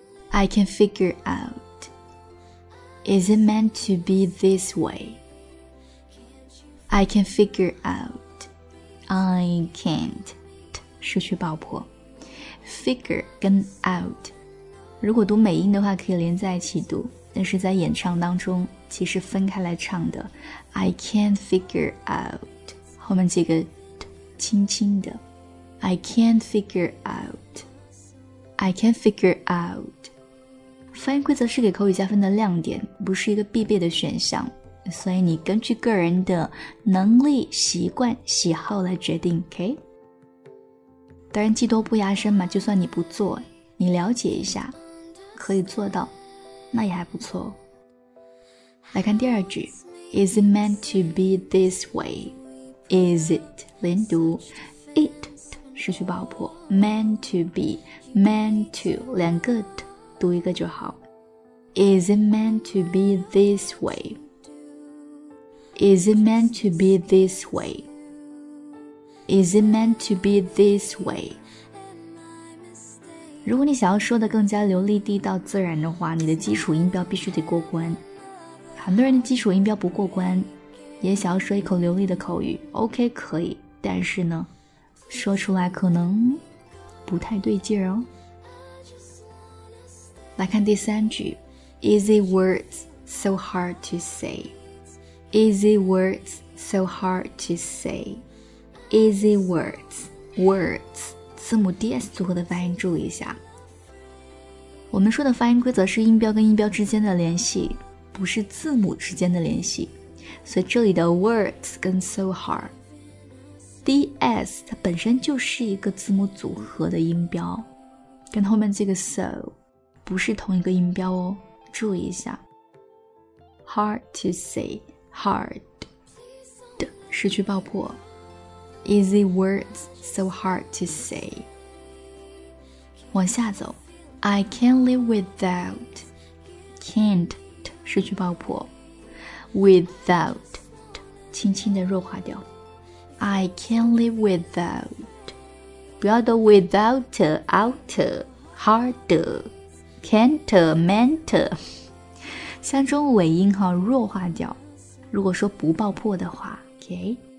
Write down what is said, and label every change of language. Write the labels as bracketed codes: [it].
[en] I can figure out, is it meant to be this way? I can figure out, I can't, [zh] 失去爆破。 Figure 跟 out 如果读美音的话可以连在一起读，但是在演唱当中其实分开来唱的。 [en] I can't figure out [zh] 后面这个轻轻的 [en] I can't figure outI can't figure out. [zh] 发音规则是给口语加分的亮点，不是一个必备的选项，所以你根据个人的能力、习惯、喜好来决定 ,OK? 当然技多不压身嘛，就算你不做，你了解一下，可以做到，那也还不错。来看第二句。 [en] Is it meant to be this way? Is it? [zh] 连读 it. 失去爆破 [en] meant to be, meant to, [zh] 两个 t, 读一个就好。 [en] Is it meant to be this way? Is it meant to be this way? Is it meant to be this way? [zh] 如果你想要说的更加流利地道自然的话，你的基础音标必须得过关。很多人的基础音标不过关，也想要说一口流利的口语， OK, 可以，但是呢说出来可能不太对劲哦。来看第三句。 [en] Easy words so hard to say. Easy words so hard to say. Easy words, words, [zh] 字母 DS 组合的发音注意一下。我们说的发音规则是音标跟音标之间的联系，不是字母之间的联系，所以这里的 words 跟 so hardDS 它本身就是一个字母组合的音标，跟后面这个 so 不是同一个音标哦，注意一下。 [en] Hard to say, hard [zh] 的失去爆破。 [en] Easy words so hard to say. [zh] 往下走。 [en] I can't live without, can't [zh] 失去爆破。 Without 轻轻的弱化掉。 [en] I can't live without, [zh] 不要读 without, out, hard, can't, meant, 像中文尾音弱化掉，如果说不爆破的话 OK?